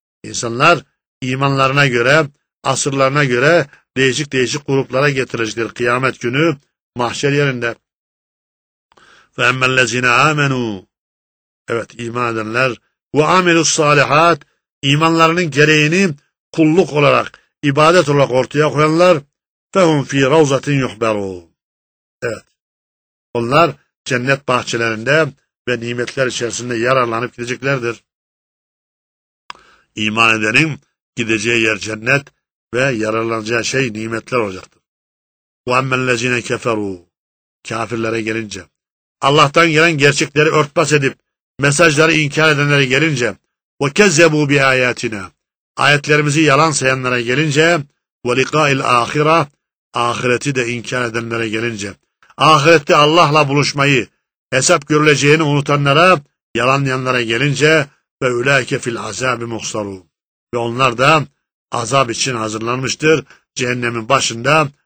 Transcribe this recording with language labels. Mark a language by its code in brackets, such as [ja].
[tr] İnsanlar imanlarına göre, asırlarına göre değişik değişik gruplara getirecekler kıyamet günü mahşer yerinde. [ar] فَاَمَّا الَّذ۪ينَ اٰمَنُوا [tr] Evet, iman edenler. [ar] وَاَمِلُوا الصَّالِحَاتِ [tr] İmanlarının gereğini kulluk olarak, ibadet olarak ortaya koyanlar. [ar] فَهُمْ ف۪ي رَوْزَةٍ يُحْبَرُونَ [tr] Evet. Onlar cennet bahçelerinde ve nimetler içerisinde yararlanıp gideceklerdir. İman edenin gideceği yer cennet ve yararlanacağı şey nimetler olacaktır. [ar] وَاَمَّا الَّذ۪ينَ كَفَرُوا [tr] Kafirlere gelince. Allah'tan gelen gerçekleri örtbas edip mesajları inkar edenlere gelince [ar] ve kezzebu bi ayatina [tr] ayetlerimizi yalan sayanlara gelince [ar] ve lika'il ahira [tr] ahireti de inkar edenlere gelince ahirette Allah'la buluşmayı hesap görüleceğini unutanlara yalanlayanlara gelince [ar] ve ulaike fil azabi muhsaru [tr] ve onlar da azap için hazırlanmıştır cehennemin başında